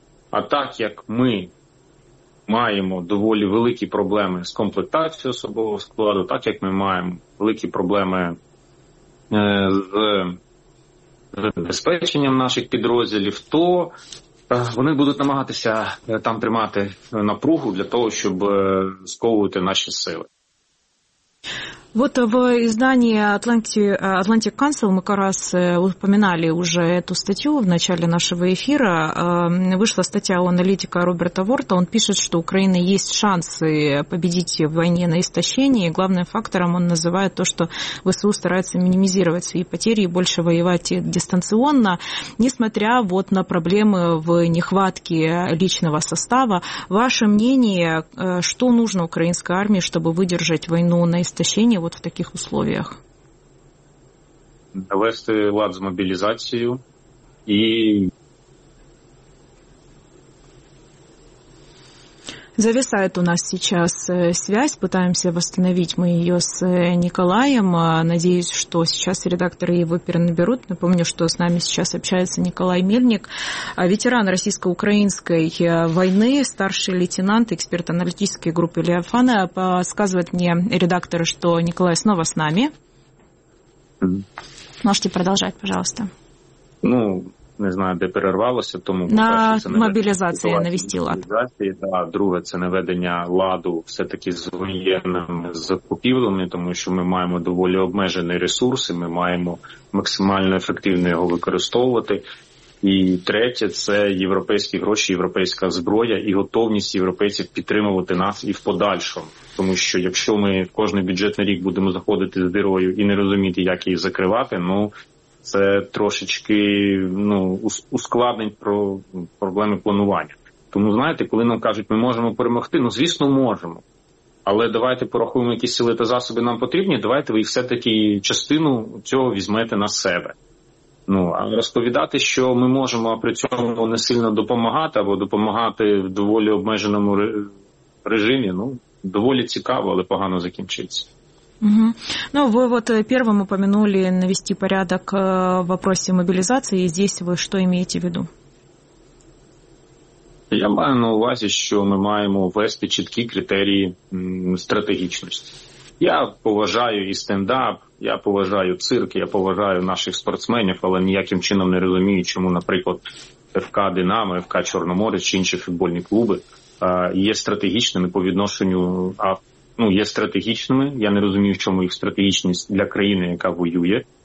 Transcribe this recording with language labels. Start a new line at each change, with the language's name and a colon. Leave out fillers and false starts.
Ukrainian: А так як ми маємо доволі великі проблеми з комплектацією особового складу, так як ми маємо великі проблеми з забезпеченням наших підрозділів, то вони будуть намагатися там тримати напругу для того, щоб сковувати наші сили.
Russian: Вот в издании Atlantic Council мы как раз упоминали уже эту статью в начале нашего эфира. Вышла статья у аналитика Роберта Ворта. Он пишет, что у Украины есть шансы победить в войне на истощение. Главным фактором он называет то, что ВСУ старается минимизировать свои потери и больше воевать дистанционно. Несмотря вот на проблемы в нехватке личного состава, ваше мнение, что нужно украинской армии, чтобы выдержать войну на истощение от в таких условиях?
Ukrainian: Навести лад з мобілізацією і...
Russian: Зависает у нас сейчас связь, пытаемся восстановить мы ее с Николаем. Надеюсь, что сейчас редакторы его перенаберут. Напомню, что с нами сейчас общается Николай Мельник, ветеран российско-украинской войны, старший лейтенант, эксперт аналитической группы Леофана. Подсказывает мне редакторы, что Николай снова с нами. Можете продолжать, пожалуйста.
Ukrainian: Ну, не знаю, де перервалося, тому на перше, мобілізації ведення, навести лад. Мобілізації, да, друге, це наведення ладу все-таки з воєнними закупівлями, тому що ми маємо доволі обмежені ресурси, ми маємо максимально ефективно його використовувати. І третє, це європейські гроші, європейська зброя і готовність європейців підтримувати нас і в подальшому. Тому що якщо ми кожен бюджетний рік будемо заходити з дірою і не розуміти, як її закривати, ну, це трошечки, ну, ускладнить про проблеми планування. Тому, знаєте, коли нам кажуть, ми можемо перемогти, ну, звісно, можемо. Але давайте порахуємо, які сили та засоби нам потрібні, давайте ви все-таки частину цього візьмете на себе. Ну, а розповідати, що ми можемо при цьому не сильно допомагати, або допомагати в доволі обмеженому режимі, ну, доволі цікаво, але погано закінчиться. Угу.
Russian: Ну, вы вот первым упомянули навести порядок в вопросе мобилизации, и здесь вы что имеете в виду?
Ukrainian: Я маю на увазі, що ми маємо ввести чіткі критерії стратегічності. Я поважаю і стендап, я поважаю цирк, я поважаю наших спортсменів, але ніяким чином не розумію, чому, наприклад, ФК «Динамо», ФК «Чорноморе» чи інші футбольні клуби є стратегічними по відношенню, а ну, є стратегічними, я не розумію, в чому їх стратегічність для країни, яка воює.